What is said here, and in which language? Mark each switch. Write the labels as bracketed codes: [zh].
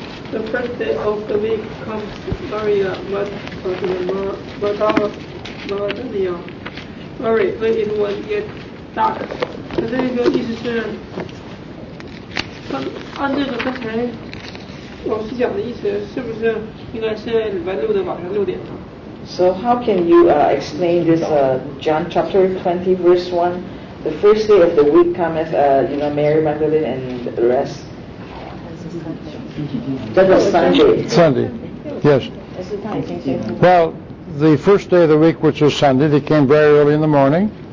[en] The first day of the week comes Maria Magdalena. Mary, when it was yet dark. [zh] 这个意思是，按这个刚才老师讲的意思，是不是应该是礼拜六的晚上六点呢？ [en] So how can you explain this John chapter 20, verse 1? The first day of the week cometh, you know, Mary Magdalene and the rest. That was Sunday. Sunday, yes. Well, the first day of the week, which was Sunday, they came very early in the morning.